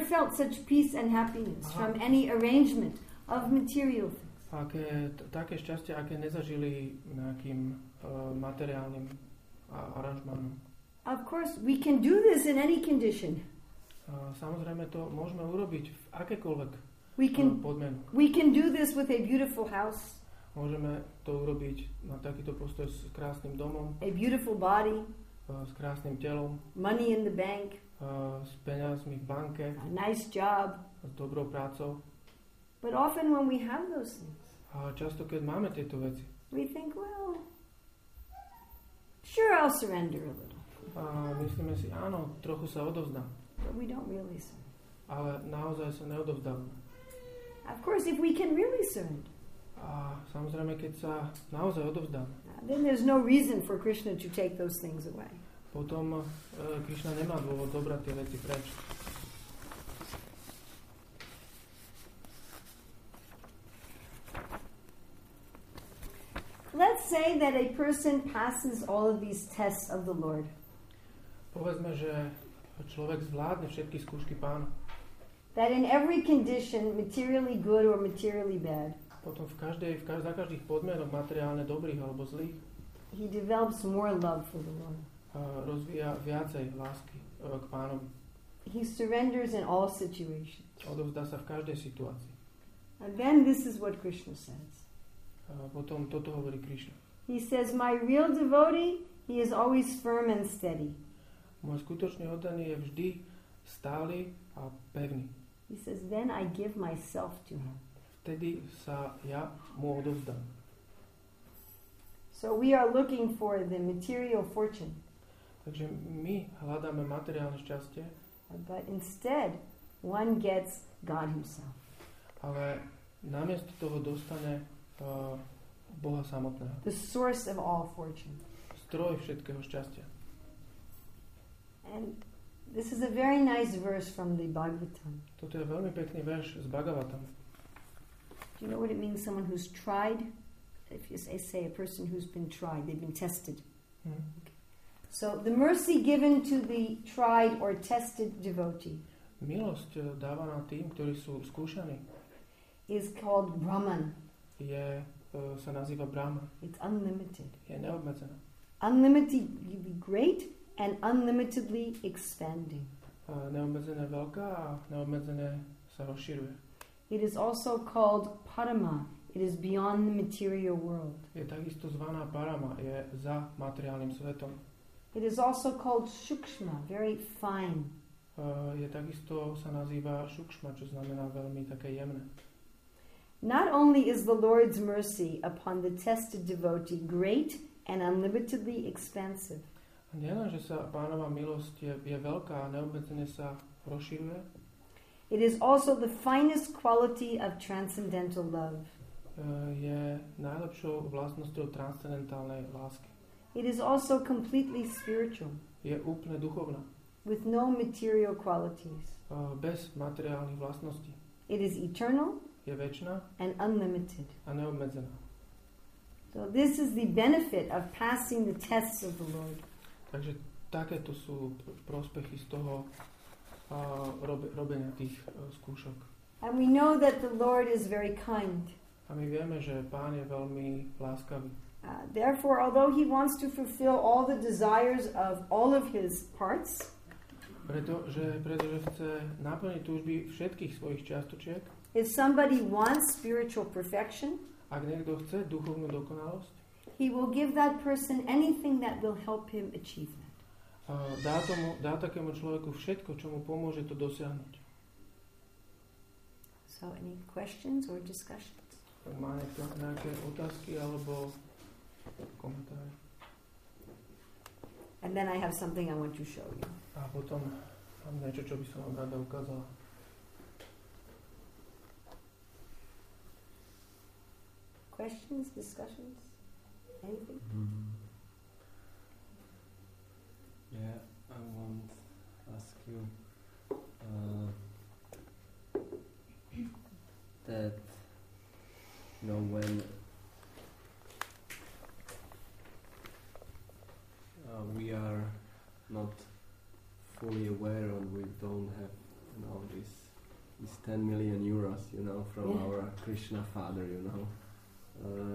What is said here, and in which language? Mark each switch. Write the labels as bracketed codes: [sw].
[en] felt such peace and happiness from any arrangement of material things. [sk] Aké, také šťastie, aké nezažili nejakým materiálnym aranžmánom. [en] Of course, we can do this in any condition. [sk] Samozrejme, to môžeme urobiť v akékoľvek podmienok. [en] We can do this with a beautiful house. [sk] Môžeme to urobiť na takýto postoj s krásnym domom. [en] A beautiful body. [sk] S krásnym telom. [en] Money in the bank. [sk] S peniazmi v banke. [en] A nice job. [sk] S dobrou prácou. [en] But often when we have those things. [sk] A často keď máme tieto veci. [en] We think, well, sure, I'll surrender a little. [sk] A myslíme si, áno, trochu sa odovzdám. [en] But we don't really surrender. [sk] Ale naozaj sa neodovzdám. [en] Of course, if we can really surrender. [sk] A samozrejme, keď sa naozaj odovzdám. [en] Then there's no reason for Krishna to take those things away. [sk] Potom Krishna nemá dôvod zobrať tie veci preč. [en] Let's say that a person passes all of these tests of the Lord. [sk] Povedzme, že človek zvládne všetky skúšky Pána. [en] That in every condition, materially good or materially bad. [sk] Potom za každých podmienok, materiálne dobrých alebo zlých. [en] He develops more love for the Lord. [sk] Rozvíja viacej lásky k Pánom. [en] He surrenders in all situations. [sk] Odovzdá sa v každej situácii. [en] And then this is what Krishna says. [sk] Potom toto hovorí Krishna. [en] He says, my real devotee, he is always firm and steady. [sk] Môj skutočný oddaný je vždy stály a pevný. [en] He says, then I give myself to him. [sk] Vtedy sa ja mu odovzdám. [en] So we are looking for the material fortune. [sk] Takže my hľadáme materiálne šťastie. [en] But instead, one gets God himself. [sk] Ale namiesto toho dostane Boha samotného. [en] The source of all fortune. [sk] Stroj všetkého šťastia. [en] And this is a very nice verse from the Bhagavatam. [sk] Toto je veľmi pekný verš z Bhagavatam. [en] Do you know what it means, someone who's tried? If you say a person who's been tried, they've been tested. Okay. So the mercy given to the tried or tested devotee. [sk] Milosť dávaná tým, ktorí sú skúšaní. [en] Is called Brahman. [sk] Sa nazýva Brahman. [en] It's unlimited. [sk] Je neobmedzená. [en] Unlimited, you be great and unlimitedly expanding. [sk] Neobmedzené veľká a neobmedzené sa rozširuje. [en] It is also called Parama. It is beyond the material world. [sk] Je takisto zvaná Parama, je za materiálnym svetom. [en] It is also called Sukshma, very fine. [sk] Je takisto sa nazýva Sukshma, čo znamená veľmi také jemné. [en] Not only is the Lord's mercy upon the tested devotee great and unlimitedly expansive. [sk] Nielenže sa Pánova milosť je veľká a neobmedzene sa rozširuje. [en] It is also the finest quality of transcendental love. [sk] Je najlepšou vlastnosťou transcendentálnej lásky. [en] It is also completely spiritual. [sk] Je úplne duchovná. [en] With no material qualities. [sk] Bez materiálnych vlastností. [en] It is eternal. [sk] Je večná. [en] And unlimited. [sk] A neobmedzená. [en] So this is the benefit of passing the tests of the Lord. [sk] Takže takéto sú prospechy z toho robenia tých skúšok. [en] And we know that the Lord is very kind. [sk] A my vieme, že Pán je veľmi láskavý. [en] Therefore, although he wants to fulfill all the desires of all of his parts, [sk] pretože chce naplniť túžby všetkých svojich častočiek, [en] if somebody wants spiritual perfection, [sk] ak niekto chce duchovnú dokonalosť, [en] he will give that person anything that will help him achieve that. [sk] Dá takému človeku všetko, čo mu pomôže to dosiahnuť. [en] So any questions or discussions? [sk] Tak má nejaké otázky alebo komentáre. [en] And then I have something I want to show you. [sk] A potom mám niečo, čo by som vám rada ukázala. [en] questions, discussions, anything? Mm-hmm. Yeah, I want to ask you that, you know, when we are not fully aware and we don't have, you know, this 10 million euros, you know, from our Krishna father, you know.